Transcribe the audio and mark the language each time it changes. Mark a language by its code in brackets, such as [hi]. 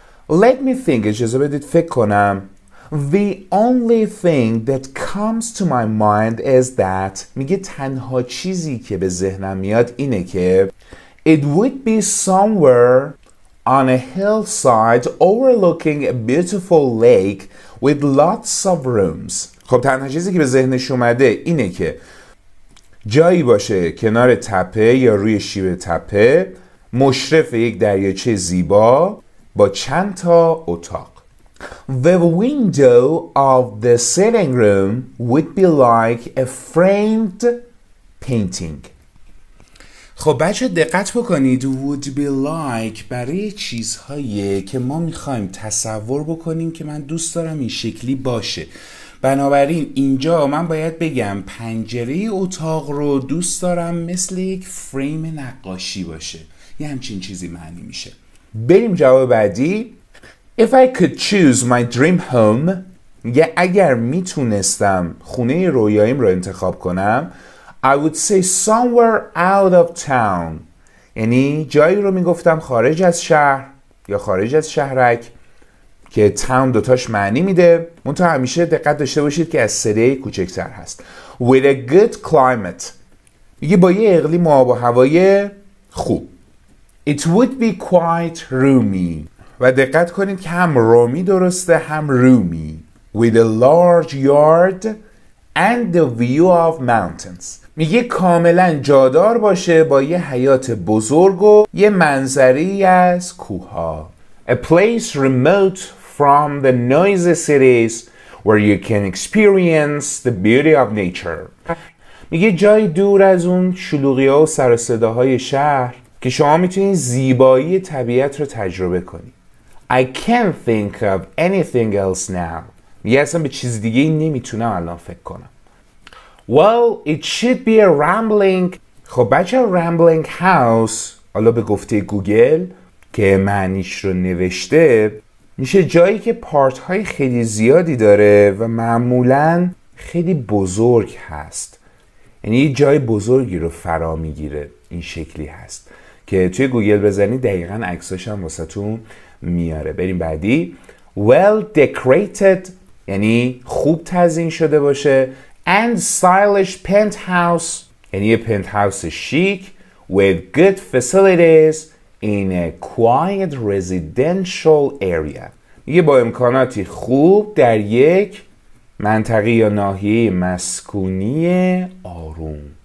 [en] Let me think. [fa] اجازه بدید فکر کنم. [en] The only thing that comes to my mind is that [fa] میگه تنها چیزی که به ذهنم میاد اینه که [en] It would be somewhere on a hillside overlooking a beautiful lake with lots of rooms. [fa] خب تنها چیزی که به ذهنش اومده اینه که جایی باشه کنار تپه یا روی شیب تپه مشرف یک دریاچه زیبا با چند تا اتاق. [en] The window of the sitting room would be like a framed painting. [fa] خب بچه دقت بکنید [en] would be like [fa] برای چیزهایی که ما میخوایم تصور بکنیم که من دوست دارم این شکلی باشه. بنابراین اینجا من باید بگم پنجره اتاق رو دوست دارم مثل یک فریم نقاشی باشه. یه همچین چیزی معنی میشه. بریم جواب بعدی. [en] If I could choose my dream home, [fa] یه اگر میتونستم خونه رویاییم رو انتخاب کنم, [en] I would say somewhere out of town. [fa] یعنی جایی رو میگفتم خارج از شهر یا خارج از شهرک که town دوتاش معنی میده. منتها همیشه دقت داشته باشید که از سری کوچکتر هست. [en] With a good climate. [fa] یه با یه اقلیم و آب و هوای خوب. [en] It would be quite roomy. [fa] و دقت کنید که هم رومی درسته هم رومی. [en] With a large yard and the view of mountains. [fa] میگه کاملا جادار باشه با یه حیات بزرگ و یه منظری از کوها. [en] A place remote from the noisy cities where you can experience the beauty of nature. [fa] میگه جای دور از اون شلوغی ها و سر و صداهای شهر که شما میتونید زیبایی طبیعت رو تجربه کنید. [en] I can't think of anything else now. [fa] میگه اصلا به چیز دیگه نمیتونم الان فکر کنم. [en] Well, it should be a rambling. [fa] خب بچه [en] rambling house [fa] حالا به گفته گوگل که معنیش رو نوشته میشه جایی که پارت های خیلی زیادی داره و معمولا خیلی بزرگ هست. یعنی یه جای بزرگی رو فرا میگیره این شکلی هست که توی گوگل بزنی دقیقا عکساش هم واسه تون میاره. بریم بعدی. [en] Well decorated [fa] یعنی خوب تزیین شده باشه. [en] And stylish penthouse [fa] یعنی [en] penthouse chic with good facilities in a quiet residential area. [fa] میگه با امکاناتی خوب در یک منطقه یا ناحیه مسکونی آروم.